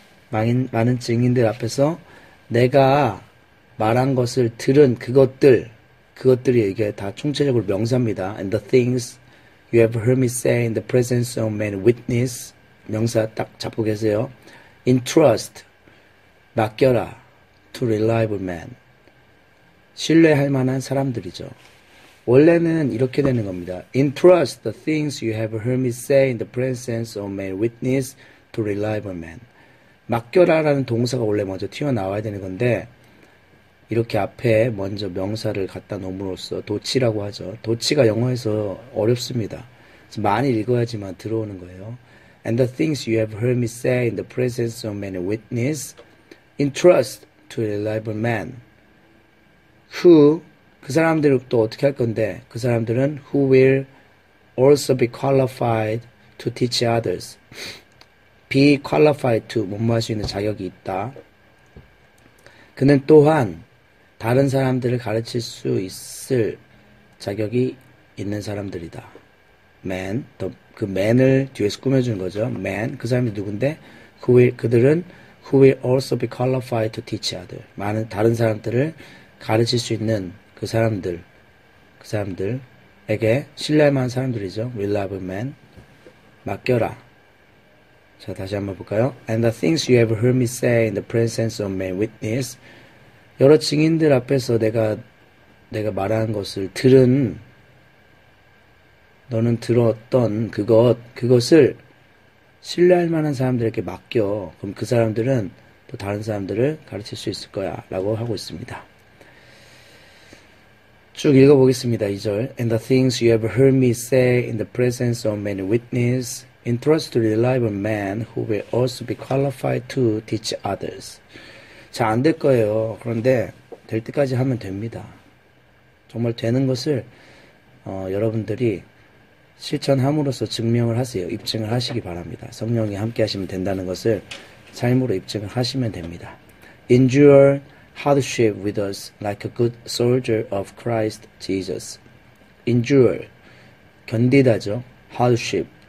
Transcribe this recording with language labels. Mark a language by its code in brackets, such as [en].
[ko] 많은 증인들 앞에서 내가 말한 것을 들은 그것들이 이게 다 총체적으로 명사입니다. [en] And the things you have heard me say in the presence of many witnesses. [ko] 명사 딱 잡고 계세요. [en] Entrust. [ko] 맡겨라. [en] To reliable men. [ko] 신뢰할 만한 사람들이죠. 원래는 이렇게 되는 겁니다. [en] Entrust the things you have heard me say in the presence of many witnesses to reliable men. [ko] 맡겨라라는 동사가 원래 먼저 튀어나와야 되는 건데, 이렇게 앞에 먼저 명사를 갖다 놓음으로써 도치라고 하죠. 도치가 영어에서 어렵습니다. 많이 읽어야지만 들어오는 거예요. [en] And the things you have heard me say in the presence of many witnesses, entrust to reliable men who [ko] 그 사람들은 또 어떻게 할 건데? 그 사람들은 [en] who will also be qualified to teach others. Be qualified to [ko] 뭐뭐 할수 있는 자격이 있다. 그는 또한 다른 사람들을 가르칠 수 있을 자격이 있는 사람들이다. Man, 그 man을 뒤에서 꾸며주는 거죠. Man, 그 사람이 누군데? 그들은 [en] who will also be qualified to teach others. [ko] 많은 다른 사람들을 가르칠 수 있는 그 사람들에게 신뢰할 만한 사람들이죠. [en] Reliable men. [ko] 맡겨라. 자, 다시 한번 볼까요? [en] And the things you have heard me say in the presence of many witnesses. [ko] 여러 증인들 앞에서 내가 말하는 것을 들은, 너는 들었던 그것을 신뢰할 만한 사람들에게 맡겨. 그럼 그 사람들은 또 다른 사람들을 가르칠 수 있을 거야. 라고 하고 있습니다. 쭉 읽어보겠습니다. 2절. [en] And the things you have heard me say in the presence of many witnesses, entrust to reliable men who will also be qualified to teach others. [ko] 자, 안될 거예요. 그런데 될 때까지 하면 됩니다. 정말 되는 것을 여러분들이 실천함으로써 증명을 하세요. 입증을 하시기 바랍니다. 성령이 함께 하시면 된다는 것을 삶으로 입증을 하시면 됩니다. [en] Endure hardship with us like a good soldier of Christ Jesus. Endure, [ko] 견디다죠. [en] Hardship,